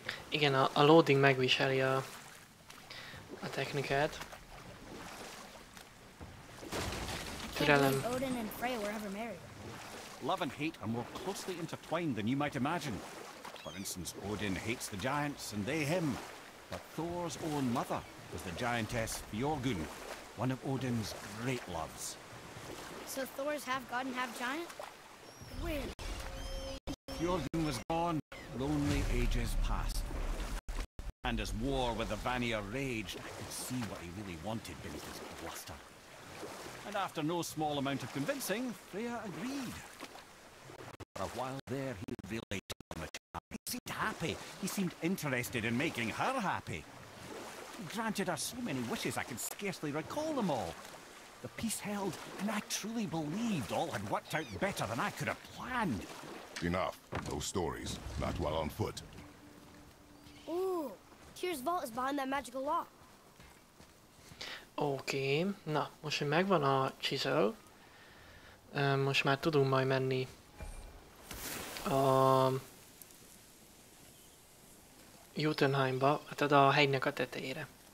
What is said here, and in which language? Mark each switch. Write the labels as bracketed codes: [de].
[hu] Igen, a loading megviseli a technikát. Türelem. [en] Odin and Freya were ever married. Love and hate are more closely intertwined than you might imagine. For instance, Odin hates the giants and they him. But Thor's own mother was the giantess Fjorgun, one of Odin's great loves. So Thor's half god and half giant? Weird. Fjorgun was gone, lonely ages past. And as war with the Vanir raged, I could see what he really wanted beneath his bluster. And after no small amount of convincing, Freya agreed. For a while there, he really didn't. He seemed happy. He seemed interested in making her happy. He granted her so many wishes, I could scarcely recall them all. The peace held, and I truly believed all had worked out better than I could have planned. Enough. No stories. Not while on foot. Ooh. Tyr's vault is behind that magical lock. Okay. [hu] Na, most hogy megvan a chisel, most már tudunk majd menni a Jotunheimba, tehát a hegynek a tetejére.